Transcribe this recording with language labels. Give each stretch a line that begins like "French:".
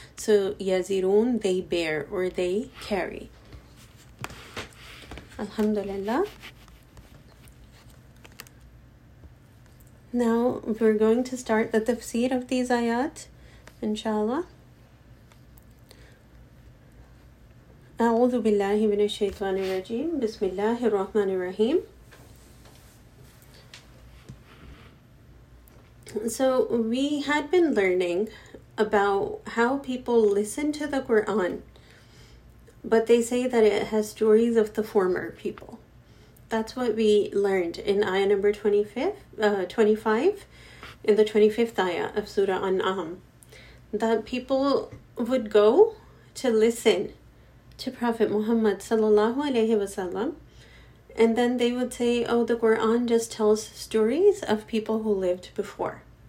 English: So yazirun, they bear or they carry. Alhamdulillah. Now we're going to start the tafsir of these ayat, inshallah.
Arabic: أعوذ بالله من الشيطان الرجيم بسم الله الرحمن الرحيم.
English: So we had been learning about how people listen to the Quran, but they say that it has stories of the former people. That's what we learned in ayah number 25, in the 25th ayah of Surah An'am, that people would go to listen to Prophet Muhammad sallallahu alayhi wa sallam, and then they would say, oh, the Quran just tells stories of people who lived before.